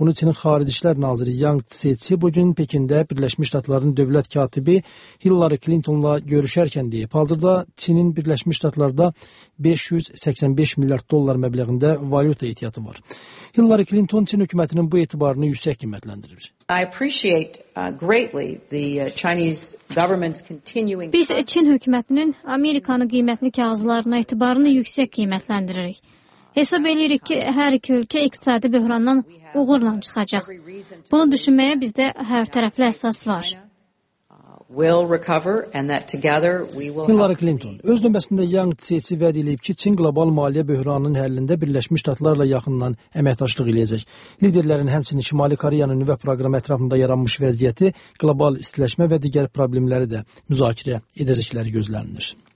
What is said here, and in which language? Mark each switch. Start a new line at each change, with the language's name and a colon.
Azerbaijani: Bunu Çinin Xarici İşlər Naziri Yang Cixi bugün Pekində Birləşmiş Ştatların dövlət katibi Hillary Clintonla görüşərkən deyib. Hazırda Çinin Birləşmiş Ştatlarda 585 milyard dollar məbləğində valyuta ehtiyatı var. Hillary Clinton Çin hökumətinin bu etibarını yüksək qiymətləndirir.
English: I appreciate greatly the Chinese government's continuing.
Azerbaijani: Biz Çin hökumətinin Amerikanın qiymətli kağızlarına etibarını yüksək qiymətləndiririk. Hesab edirik ki, hər iki ölkə iqtisadi böhrandan uğurla çıxacaq. Bunu düşünməyə bizdə hər tərəfli əsas var.
English: Will recover and that together we will.
Azerbaijani: Hillary Clinton öz növbəsində Yang Cixi vəd edib ki, Çin qlobal maliyyə böhranının həllində Birləşmiş Ştatlarla yaxından əməkdaşlıq eləyəcək. Liderlərin həmçinin Şimali Koreyanın nüvə proqramı ətrafında yaranmış vəziyyəti, qlobal istiləşmə və digər problemləri də müzakirə edəcəkləri gözlənilir.